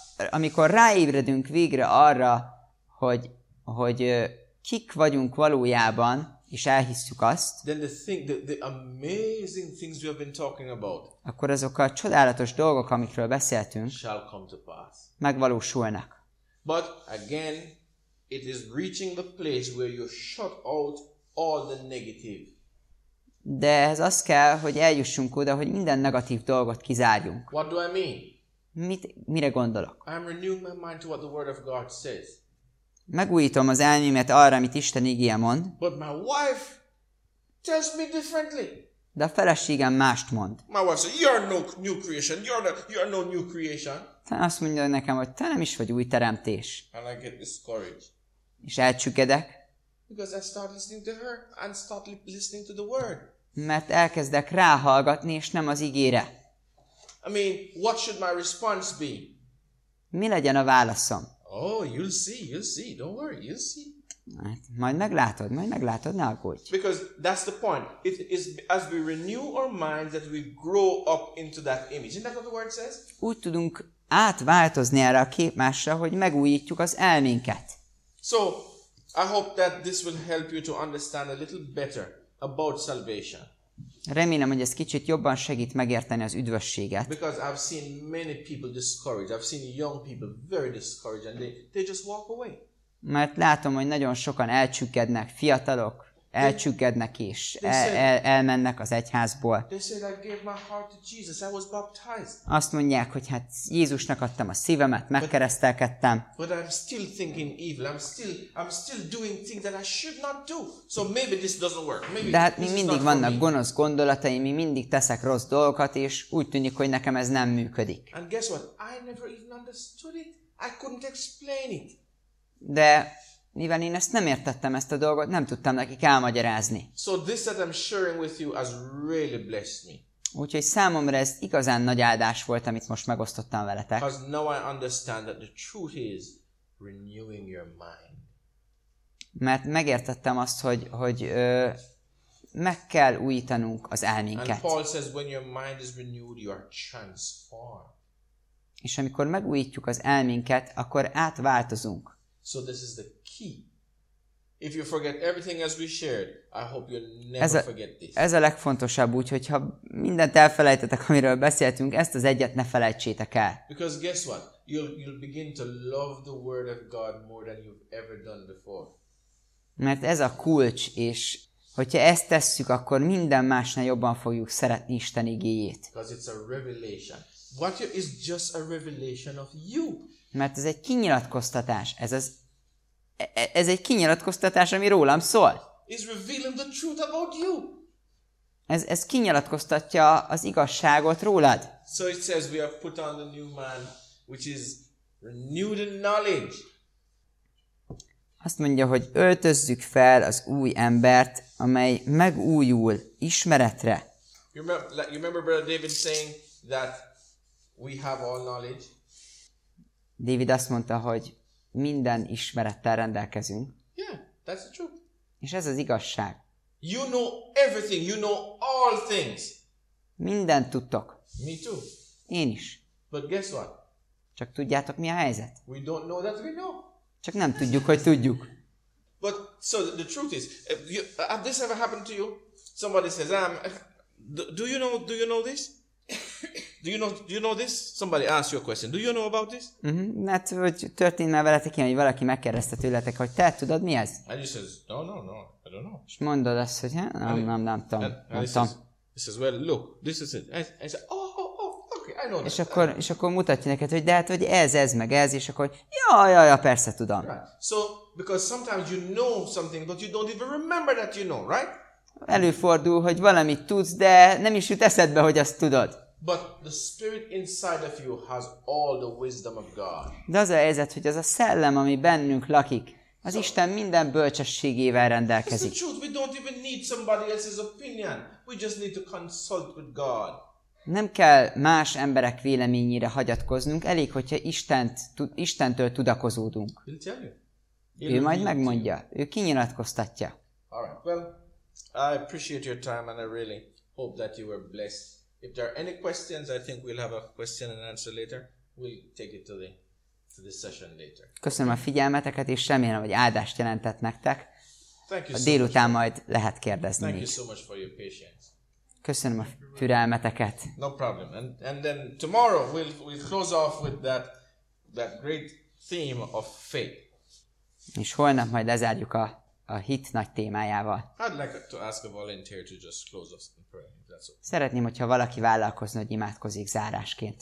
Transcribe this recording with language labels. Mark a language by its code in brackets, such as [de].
[hu] amikor ráébredünk végre arra, hogy kik vagyunk valójában, és elhisszük azt, [en] then the amazing things we have been talking about, [hu] akkor azok a csodálatos dolgok, amikről beszéltünk, [en] shall come to pass. [hu] Megvalósulnak. [en] But again, it is reaching the place where you shut out all the negative. [hu] De ez az kell, hogy eljussunk oda, hogy minden negatív dolgot kizárjunk. [en] What do I mean? [hu] Mire gondolok? [en] I am renewing my mind to what the word of God says. [hu] Megújítom az elmémet arra, amit Isten igéje mond. [en] But my wife tells me differently. [hu] De a feleségem mást mond. [en] My wife says, you are no new creation. You are no new creation. [hu] Te azt mondja nekem, hogy te nem is vagy új teremtés. [en] And I get discouraged. [hu] És elcsüggedek. [en] Because I start listening to her and start listening to the word. [hu] Mert elkezdek ráhallgatni, és nem az igére. [en] I mean, what should my response be? [hu] Mi legyen a válaszom? [en] Oh, you'll see. Don't worry, you'll see. [hu] Majd meglátod, ne aggódj. [en] Because that's the point. It is as we renew our minds that we grow up into that image. Isn't that what the word says? [hu] Úgy tudunk átváltozni erre a képmásra, hogy megújítjuk az elménket. [en] So, I hope that this will help you to understand a little better about salvation. [hu] Remélem, hogy ez kicsit jobban segít megérteni az üdvösséget. [en] Because I've seen many people discouraged. I've seen young people very discouraged and they just walk away. [hu] Mert látom, hogy nagyon sokan elcsüggednek, fiatalok elcsüggednek és elmennek az egyházból. [en] They said, I gave my heart to Jesus. I was baptized. [hu] Azt mondják, hogy hát Jézusnak adtam a szívemet, megkeresztelkedtem. [en] But I'm still thinking evil. I'm still doing things that I should not do. So maybe this doesn't work. Maybe. [hu] De hát még mindig vannak gonosz gondolataim, mi mindig teszek rossz dolgokat, és úgy tűnik, hogy nekem ez nem működik. [en] And guess what? I never even understood it. I couldn't explain it. [hu] De mivel én ezt nem értettem, ezt a dolgot, nem tudtam nekik elmagyarázni. [en] So this that I'm sharing with you has really blessed me. [hu] Úgyhogy számomra ez igazán nagy áldás volt, amit most megosztottam veletek. [en] Because now I understand that the truth is renewing your mind. [hu] Mert megértettem azt, hogy meg kell újítanunk az elménket. [en] And Paul says, when your mind is renewed, you are transformed. [hu] És amikor megújítjuk az elménket, akkor átváltozunk. [en] So this is the key. If you forget everything as we shared, I hope you never forget this. [hu] Ez a legfontosabb, úgyhogy ha mindent elfelejtetek, amiről beszéltünk, ezt az egyet ne felejtsétek el. [en] Because guess what? You'll begin to love the word of God more than you've ever done before. [hu] Mert ez a kulcs, és hogyha ezt tesszük, akkor minden másnál jobban fogjuk szeretni Isten igéjét. [en] Because it's a revelation. What you is just a revelation of you. [hu] Mert ez egy kinyilatkoztatás. Ez egy kinyilatkoztatás, ami rólam szól. [en] Is revealing the truth about you. [hu] Ez kinyilatkoztatja az igazságot rólad. [en] So it says we have put on the new man, which is renewed in knowledge. [hu] Azt mondja, hogy öltözzük fel az új embert, amely megújul ismeretre. [en] You remember Brother David saying that we have all knowledge. [hu] David azt mondta, hogy minden ismerettel rendelkezünk. [en] Yeah, that's the truth. [hu] És ez az igazság. [en] You know everything, you know all things. [hu] Mindent tudtok. [en] Me too. [hu] Én is. [en] But guess what? [hu] Csak tudjátok, mi a helyzet? [en] We don't know that we know. [hu] Csak nem tudjuk, hogy tudjuk. [en] But so the truth is, have this ever happened to you? Somebody says, do you know this? Do you know this? Somebody asks you a question. Do you know about this? [hu] Mert hogy történt már veletek ilyen, hogy valaki megkérdezte tőletek, hogy te tudod, mi ez? [en] And you says, no, I don't know. [hu] És mondod azt, hogy nem tudom. [en] He says, well, look, this is it. I said, I know. [hu] És akkor mutatja neked, hogy de hát, hogy ez, meg ez, és akkor, ja, persze, tudom. [en] Right. So, because sometimes you know something, but you don't even remember that you know, right? [hu] Előfordul, hogy valamit tudsz, de nem is jut eszedbe, hogy azt tudod. [en] But the spirit inside of you has all the wisdom of God. [hu] De az a helyzet, hogy az a szellem, ami bennünk lakik, az so, Isten minden bölcsességével rendelkezik. [en] It's the truth. We don't even need somebody else's opinion. We just need to consult with God. [hu] Nem kell más emberek véleményére hagyatkoznunk, elég, hogyha Istentől tudakozódunk. [en] He'll tell you. [hu] Ő majd megmondja. Ő kinyilatkoztatja. [en] All right. Well, I appreciate your time and I really hope that you were blessed. If there are any questions, I think we'll have a question and answer later. We'll take it to the session later. [hu] Köszönöm a figyelmeteket, és remélem, hogy áldást jelentett nektek. [en] Thank you [hu] a délután [en] so much. [hu] Majd lehet kérdezni. [en] Thank you so much for your patience. [hu] Köszönöm a türelmeteket. [en] No problem. And then tomorrow we'll close off with that great theme of faith. [hu] És holnap majd lezárjuk a hit nagy témájával. [en] I'd like to ask a volunteer to just close us in prayer. That's okay. [hu] Szeretném, hogyha valaki vállalkozna, hogy imádkozik zárásként.